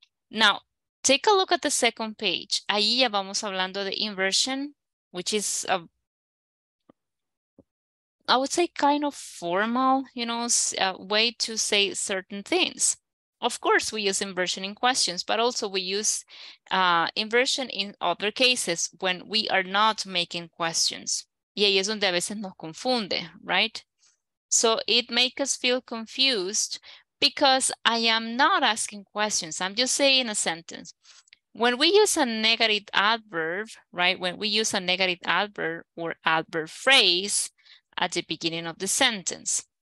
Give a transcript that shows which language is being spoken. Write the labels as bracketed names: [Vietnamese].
[English] Now, take a look at the second page. Ahí ya vamos hablando de inversion, which is, I would say, kind of formal, you know, way to say certain things. Of course, we use inversion in questions, but also we use inversion in other cases when we are not making questions. [Spanish] Y ahí es donde a veces nos confunde, right? [English] So it makes us feel confused because I am not asking questions. I'm just saying a sentence. When we use a negative adverb, right? When we use a negative adverb or adverb phrase at the beginning of the sentence.